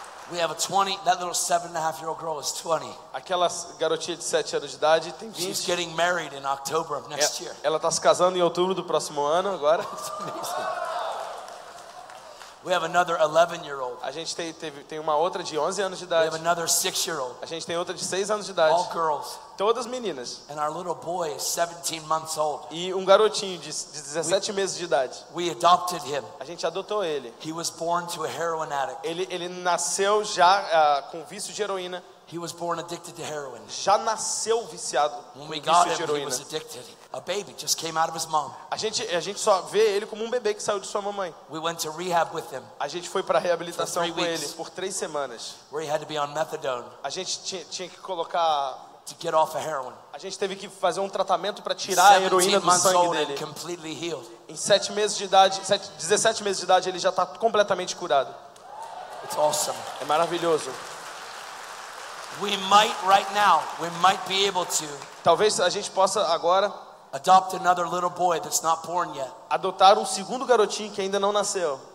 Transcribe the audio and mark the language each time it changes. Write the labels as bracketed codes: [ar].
[en] we have a 20, that little 7.5-year-old girl is 20. [pt] Aquela garotinha de 7 anos de idade tem 20. [en] She's getting married in October of next year. [pt] Ela está se casando em outubro do próximo ano agora. [en] We have another 11-year-old. [pt] A gente tem uma outra de 11 anos de idade. [en] We have another 6-year-old. [pt] A gente tem outra de 6 anos de idade. [en] All girls. [pt] Todas meninas. [en] And our little boy is 17 months old. [pt] E um garotinho de 17 meses de idade. [en] We adopted him. [pt] A gente adotou ele. [en] He was born to a heroin addict. [pt] Ele nasceu já com vício de heroína. [en] He was born addicted to heroin. [pt] Já nasceu viciado com vício de heroína. [en] He was addicted. A baby just came out of his mom. [pt] A gente só vê ele como um bebê que saiu de sua mamãe. [en] We went to rehab with him. [pt] A gente foi para reabilitação com ele por 3 semanas. [en] Where he had to be on methadone. [pt] A gente tinha que colocar [en] to get off of heroin. [pt] A gente teve que fazer um tratamento para tirar a heroína do sangue dele. [en] Completely healed. [pt] Em 7 meses de idade, 17 meses de idade, ele já está completamente curado. [en] It's awesome. [pt] É maravilhoso. [en] We might right now, we might be able to. [pt] Talvez a gente possa agora [en] adopt another little boy that's not born yet. [pt] Adotar um segundo garotinho que ainda não nasceu.